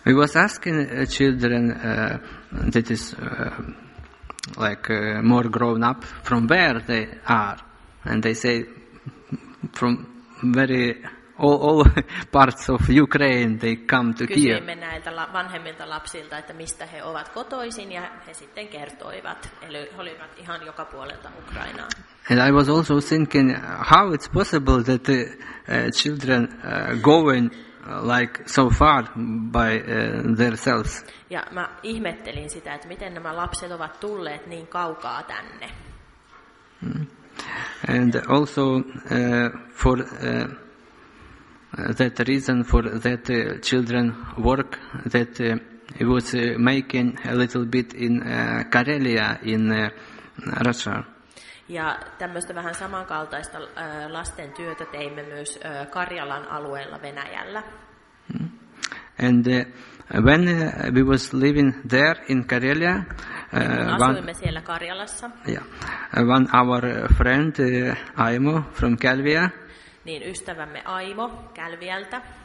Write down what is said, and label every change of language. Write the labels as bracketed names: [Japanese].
[English] We was asking children that is like more grown up from where they are, and they say from very all parts of Ukraine they come to here. [Finnish] Kysyimme näiltä vanhemmilta lapsilta, että mistä he ovat kotoisin, ja he sitten kertoivat, eli olivat ihan joka puolelta Ukrainaa. [English] And I was also thinking how it's possible that the children going like so far by themselves. [Finnish] Ja mä ihmettelin sitä, että miten nämä lapset ovat tulleet niin kaukaa tänne. [English] And also for that reason for that children work that it was making a little bit in Karelia in Russia. [Finnish] Ja tämmöistä vähän samankaltaista lasten työtä teimme myös Karjalan alueella Venäjällä. [English] And when we was living there in Karelia, [Finnish] asuimme siellä Karjalassa. [English] Yeah, one our friend Aimo from Kälviä. [Finnish] Niin ystävämme Aimo Kälviältä.